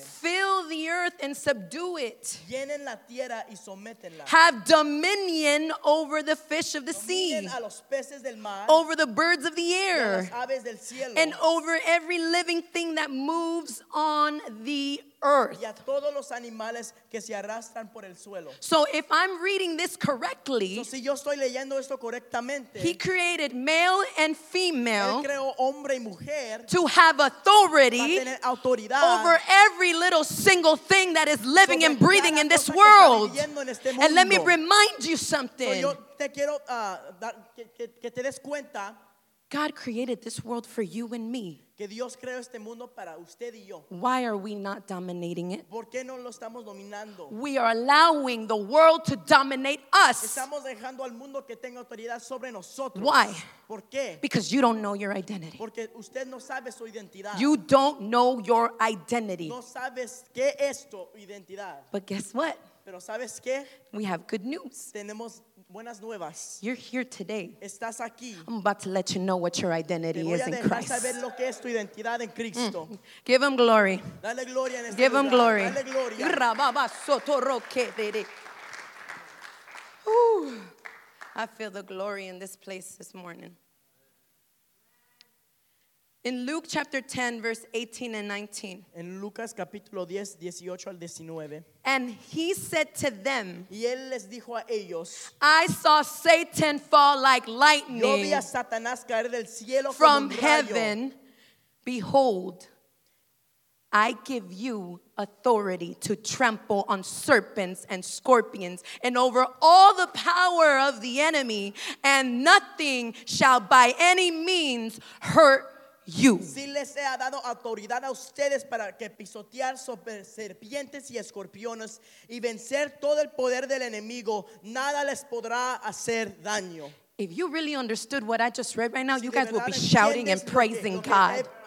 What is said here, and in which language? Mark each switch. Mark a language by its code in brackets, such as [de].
[en] Fill the earth and subdue it. [es] Llenen la tierra y sométenla. [en] Have dominion over the fish of the sea, [es] a los peces del mar, [en] over the birds of the air, [es] y a las aves del cielo, [en] and over every living thing that moves on the earth. [es] Y a todos los animales que se arrastran por el suelo. [en] So if I'm reading this correctly, [es] so si yo estoy leyendo esto correctamente, [en] he created male and female, [es] él creó hombre y mujer, [en] to have authority, [es] para tener autoridad, [en] over every little single thing that is living and breathing in this world. [es] Que está viviendo en este mundo. [en] And let me remind you something. [es] So yo te quiero dar, que te des cuenta, [en] God created this world for you and me. [es] Que Dios creó este mundo para usted y yo. [en] Why are we not dominating it? [es] ¿Por qué no lo estamos dominando? [en] We are allowing the world to dominate us. [es] Estamos dejando al mundo que tenga autoridad sobre nosotros. [en] Why? [es] ¿Por qué? [en] Because you don't know your identity. [es] Porque usted no sabe su identidad. [en] You don't know your identity. [es] No sabes qué es tu identidad. [en] But guess what? [es] Pero ¿sabes qué? [en] We have good news. [es] Tenemos buenas nuevas. [en] You're here today. [es] Estás aquí. [en] I'm about to let you know what your identity is in Christ. [es] Saber lo que es tu identidad en Cristo. Mm. [en] Give him glory. [es] Dale gloria en esta [en] Give him glory. [es] Dale gloria. [en] I feel the glory in this place this morning. In Luke chapter 10, verse 18 and 19. [es] En Lucas capítulo 10, 18 al 19. [en] And he said to them, [es] y él les dijo a ellos, [en] I saw Satan fall like lightning. [es] Yo vi a Satanás caer del cielo [en] from [es] como un [en] heaven. [es] Rayo. [en] Behold, I give you authority to trample on serpents and scorpions and over all the power of the enemy, and nothing shall by any means hurt you. [es] Si les he dado autoridad a ustedes para que pisotear sobre serpientes y escorpiones y vencer todo el poder del enemigo, nada les podrá hacer daño. [en] If you really understood what I just read right now, you guys will be shouting and praising God.